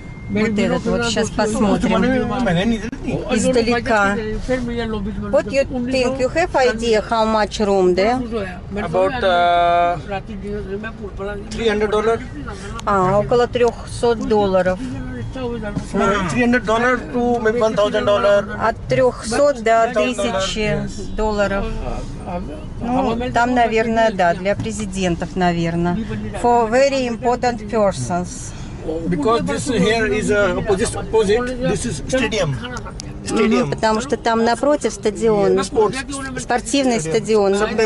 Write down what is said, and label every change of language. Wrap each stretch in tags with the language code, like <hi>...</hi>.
<ru>Вот этот, вот сейчас посмотрим. Издалека.</ru> <en>What you think? You have idea how much room there? About $300.</en> <ru>Около $300.</ru> <en>$300 to maybe $1,000.</en> <ru>От 300 до 1000 долларов. Ну, там, наверное, да, для президентов, наверное.</ru> <en>For very important persons. Because this here is opposite, this is stadium.</en> <ru>Потому что там напротив стадион, спортивный стадион.</ru>